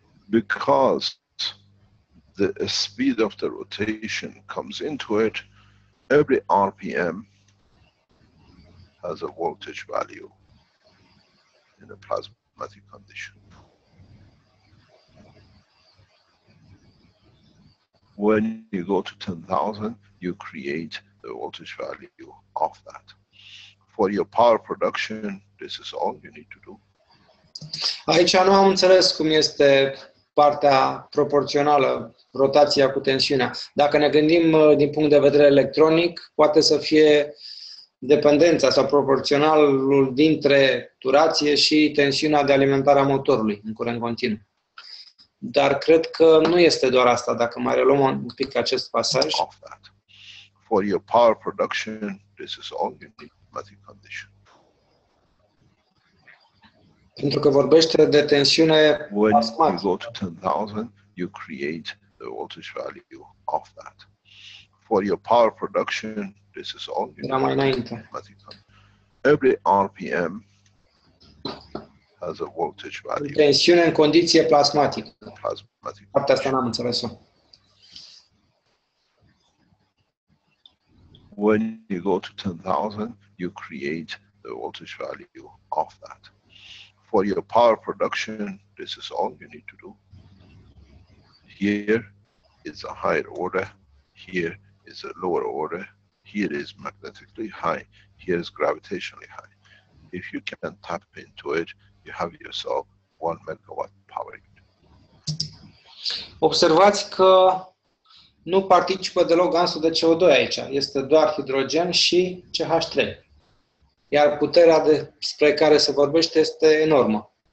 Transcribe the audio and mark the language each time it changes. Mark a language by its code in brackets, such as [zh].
[en] Because the speed of the rotation comes into it, every RPM has a voltage value in a plasmatic condition. When you go to 10,000, you create the voltage value of that. For your power production, this is all you need to do. [ro] Aici nu am înțeles cum este partea proporțională, rotația cu tensiunea. Dacă ne gândim din punct de vedere electronic, poate să fie dependența sau proporționalul dintre turație și tensiunea de alimentare a motorului în curent continuu. Dar cred că nu este doar asta, dacă mai reluăm un pic acest pasaj. [en] For your power production, this is all in the mathematical condition. [ro] Pentru că vorbește de tensiune plasmatică. [en] When you go to 10,000, you create the voltage value of that. For your power production, this is all you need. Every RPM has a voltage value. [ro] Tensiune în condiție plasmatică. Plasmatică. Partea asta n-am înțeles-o. [en] When you go to 10,000, you create the voltage value of that. For your power production, this is all you need to do. Here is a higher order, here is a lower order, here is magnetically high, here is gravitationally high. If you can tap into it, you have yourself 1 megawatt power unit. [ro] Observați că nu participă deloc gasul de CO2 aici, este doar hidrogen și CH3. Iar puterea despre care se vorbește este enormă.